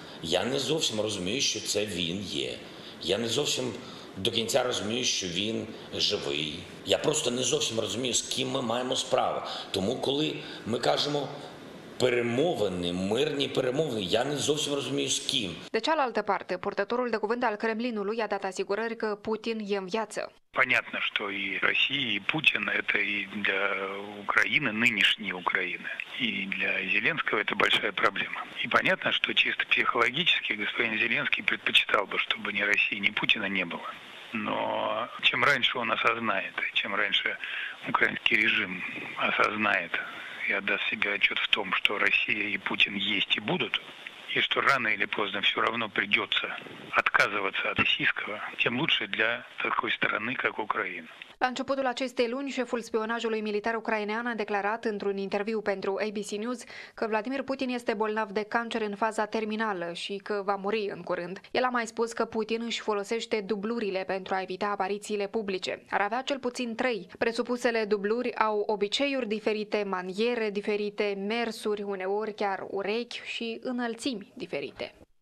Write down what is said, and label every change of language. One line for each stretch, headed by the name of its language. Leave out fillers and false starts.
Ukrainian: Я не зовсім розумію, що це він є. Я не зовсім до кінця розумію, що він живий. Я просто не зовсім розумію, з ким ми маємо справу. Тому коли ми кажемо перемовини, мирні перемовини, я не зовсім розумію, з ким.
Romanian: De cealaltă parte, purtătorul de cuvânt al Kremlinului a dat asigurări că Putin e în viață.
Russian: Понятно, что и Россия, и Путин – это и для Украины, нынешней Украины, и для Зеленского это большая проблема. И понятно, что чисто психологически господин Зеленский предпочитал бы, чтобы ни России, ни Путина не было. Но чем раньше он осознает, чем раньше украинский режим осознает и отдаст себе отчет в том, что Россия и Путин есть и будут, и что рано или поздно все равно придется отказываться от российского, тем лучше для такой страны, как Украина.
Romanian: La începutul acestei luni, șeful spionajului militar ucrainean a declarat într-un interviu pentru ABC News că Vladimir Putin este bolnav de cancer în faza terminală și că va muri în curând. El a mai spus că Putin își folosește dublurile pentru a evita aparițiile publice. Ar avea cel puțin trei. Presupusele dubluri au obiceiuri diferite, maniere diferite, mersuri, uneori chiar urechi și înălțimi diferite.